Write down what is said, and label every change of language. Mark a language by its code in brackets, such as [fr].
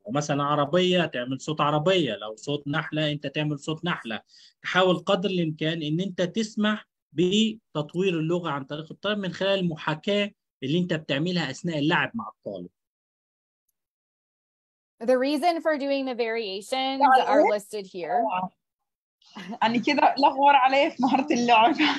[ar] ومثلا عربيه تعمل صوت عربيه، لو صوت نحله انت تعمل صوت نحله. تحاول قدر الامكان ان انت تسمح بتطوير اللغه عن طريق الطالب من خلال المحاكاه اللي انت بتعملها اثناء اللعب مع الطالب. [en] The reason for doing the variations are listed here. [ar] يعني كده لغور عليه في مهاره اللعب.